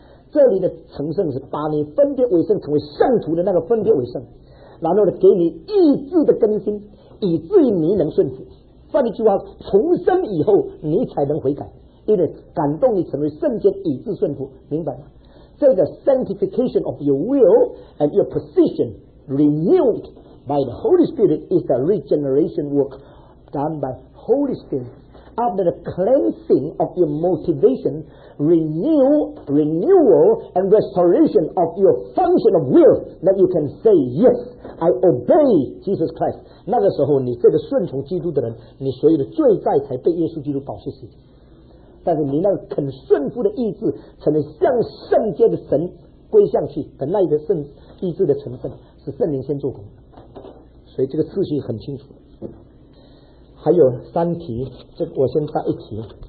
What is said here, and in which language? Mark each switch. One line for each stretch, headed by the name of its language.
Chinese: 这里的成圣是把你分别为圣成为圣徒的那个分别为圣，然后呢给你意志的更新，以至于你能顺服。换句话，重生以后你才能悔改，因为感动你成为圣洁以致顺服，明白吗？这个
English: sanctification of your will and your position renewed by the Holy Spirit is the regeneration work done by Holy Spirit after the cleansing of your motivation, renewal and restoration of your function of will that you can say yes I obey Jesus Christ。
Chinese: 那个时候你这个顺从基督的人，你所有的罪债才被耶稣基督保释洗，但是你那个肯顺服的意志成了向圣洁的神归向去的那一个圣意志的成分，是圣灵先做工，所以这个次序很清楚。还有三题，这个我先答一题，